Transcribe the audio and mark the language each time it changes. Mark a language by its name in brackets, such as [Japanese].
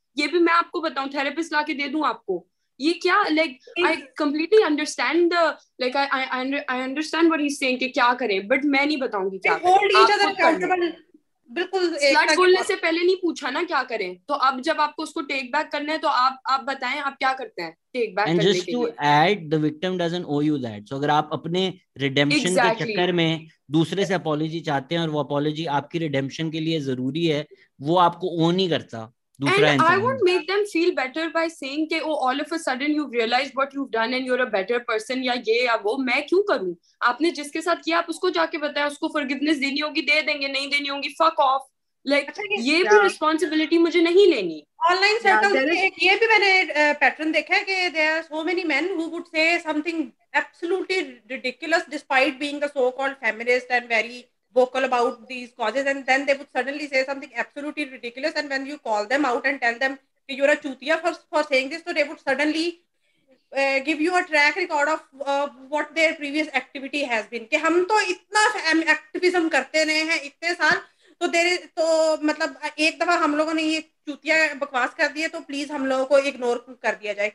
[Hindi] ये भी मैं आपको बताऊं, थेरेपिस्ट लाके दे दूं आपको, ये क्या [English] like I completely understand the like I understand what he is saying [Hindi] कि क्या करें, बट मैं नहीं बताऊंगी क्या करें. बिल्कुल बोलने से पहले नहीं पूछा ना क्या करें, तो अब जब आपको उसको टेक बैक करना है तो आप बताएं आप क्या करते हैं. [English] And just to add, the victim doesn't owe you that. [Hindi] So, अगर आप अपने redemption के चक्कर में दूसरे से apology चाहते हैं और वो apology आपकी redemption के लिए जरूरी है, वो आपको owe नहीं करता. दूसरा इंसान. [English] And I would make them feel better by saying के oh all of a sudden you've realized what you've done and you're a better person [Hindi] या ये या वो. मैं क्यों करूँ? आपने जिसके साथ किया आप उसको जाके बताएं, उसको forgiveness देनी होगी दे देंगे, नहीं देनी होगी fuck off. Like, ये भी responsibility मुझे नहीं लेनी. [English] Online circles [Hindi] ये भी मैंने pattern देखा है कि [English] there are so many men who would say something absolutely ridiculous despite being a so-called feminist and very vocal about these causes, and then they would suddenly say something absolutely ridiculous, and when you call them out and tell them you're a chutia for saying this, so they would suddenly give you a track record of what their previous activity has been. [Hindi] कि हम तो इतना activism करते रहे हैं इतने साल, तो देर तो मतलब एक दफा हम लोगों ने ये चूतिया बकवास कर दिए तो प्लीज हम लोगों को इग्नोर कर दिया जाए.